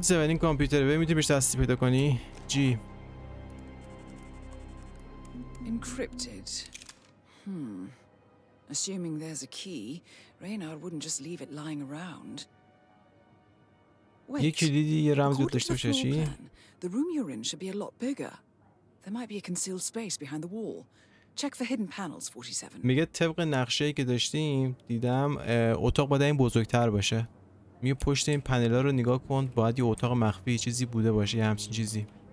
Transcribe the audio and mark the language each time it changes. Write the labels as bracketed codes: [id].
[fa] 47 این کامپیوتر ببین میتونی بهش دسترسی پیدا کنی. جی [en] Encrypted. Assuming there's a key, Reynard wouldn't just leave it lying around. [fa] یه کلیدی یه رمز بود داشته باشه چی؟ [en] The room you're in should be a lot bigger. There might be a concealed space behind the wall. Check for hidden panels 47. [fa] میگه طبق نقشه‌ای که داشتیم دیدم اتاق باید این بزرگتر باشه. میگه پشت این پنلا رو نگاه کن، باید یه اتاق مخفی چیزی بوده باشه، یه همچین چیزی.